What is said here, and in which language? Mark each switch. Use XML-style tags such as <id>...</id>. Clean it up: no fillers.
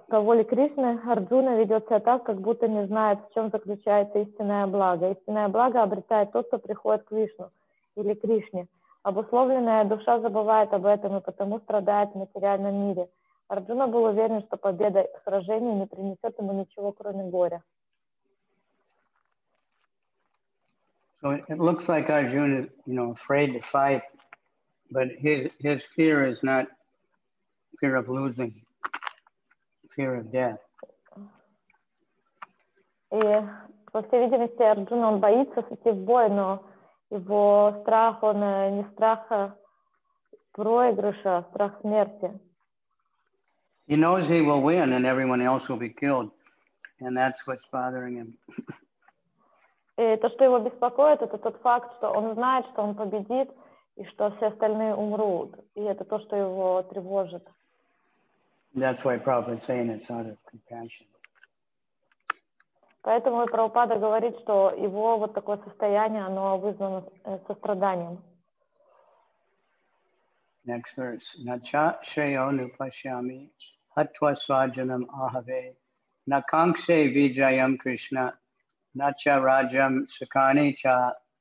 <ru>По воле Кришны Арджуна ведет себя так, как будто не знает, в чем заключается истинное благо. Истинное благо обретает тот, кто приходит к Вишну или Кришне. Обусловленная душа забывает об этом и потому страдает в материальном мире. Арджуна был уверен, что победа в сражении не принесет ему ничего, кроме горя.</ru> <en>So it looks like Arjuna, you know, afraid to fight, but his fear is not fear of losing, fear of death.</en> <ru>И по всей видимости Арджуна он боится идти в бой, но его страх он не страх проигрыша, а страх смерти.</ru> <en>He knows he will win, and everyone else will be killed, and that's what's bothering him.</en> <ru>И то, что его беспокоит, это тот факт, что он знает, что он победит, и что все остальные умрут. И это то, что его тревожит.</ru> <en>That's why Prabhupada is saying it's out of compassion.</en> <ru>Поэтому и Прабхупада говорит, что его вот такое состояние, оно вызвано состраданием.</ru> <en>Next verse.</en> <sa>Nacha shayo nupashyami hatva svajanam ahave nakankse vijayam krishna Nacha Rajam Sakani Cha.</sa>